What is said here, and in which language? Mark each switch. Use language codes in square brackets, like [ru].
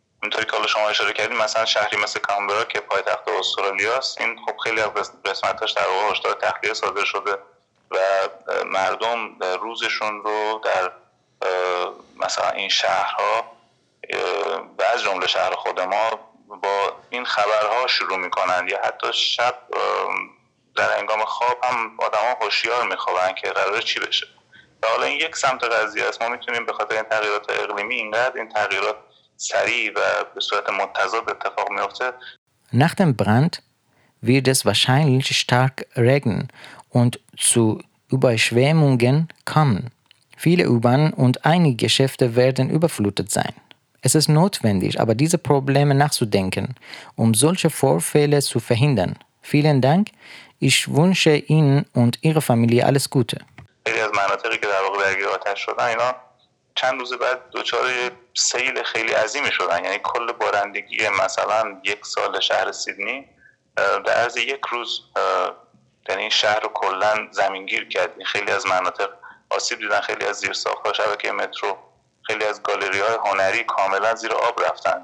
[fa] اینطوری که حالا شما اشاره کردیم، مثلا شهری مثل کامبرا که پایتخت استرالیا است، این خب خیلی از قسمتاش در واقع هشدار تخلیه صادر شده و مردم روزشون رو در مثلا این شهرها و از جمله شهر خود ما با این خبرها شروع میکنند، یا حتی شب در هنگام خواب هم آدم ها هوشیار میخوابن که قراره چی بشه. و حالا این یک سمت قضیه است، ما میتونیم به خاطر این تغییرات اقلیمی اینقدر این تغییرات سریع و به صورت متضاد اتفاق میفته. [de] Nach dem Brand wird es wahrscheinlich stark regnen und zu Überschwemmungen kommen. Viele U-Bahnen und einige Geschäfte werden überflutet sein. Es ist notwendig, aber diese Probleme nachzudenken, um solche Vorfälle zu verhindern. Vielen Dank. Ich wünsche Ihnen und Ihrer Familie alles Gute. [fa] خیلی از مناطقی که در واقع درگیر آتش شدن، اینا چند روز بعد دچار سیل خیلی عظیمی شدن. یعنی کل بارندگی مثلا یک سال شهر سیدنی در عرض یک روز یعنی این شهر رو کلن زمینگیر کرد. خیلی از مناطق آسیب دیدن، خیلی از زیرساخت ها، شبکه مترو، خیلی از گالری های هنری کاملا زیر آب رفتن.